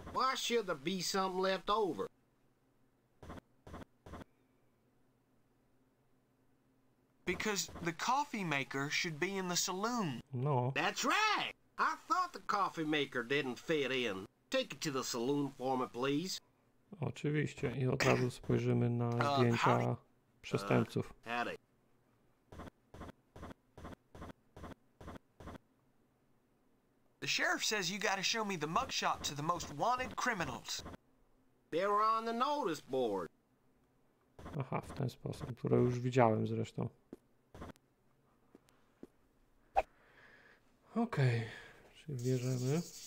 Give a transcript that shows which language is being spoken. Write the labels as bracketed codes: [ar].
[en] Why should there be something left over? Because the coffee maker should be in the saloon. No. That's right! I thought the coffee maker didn't fit in. Take it to the saloon for me, please. [pl] Oczywiście. I od razu spojrzymy na zdjęcia przestępców. [en] The sheriff says you gotta show me the mugshot to the most wanted criminals. They were on the notice board. [pl] Aha, w ten sposób, które już widziałem zresztą. Okej, okay. Czyli bierzemy.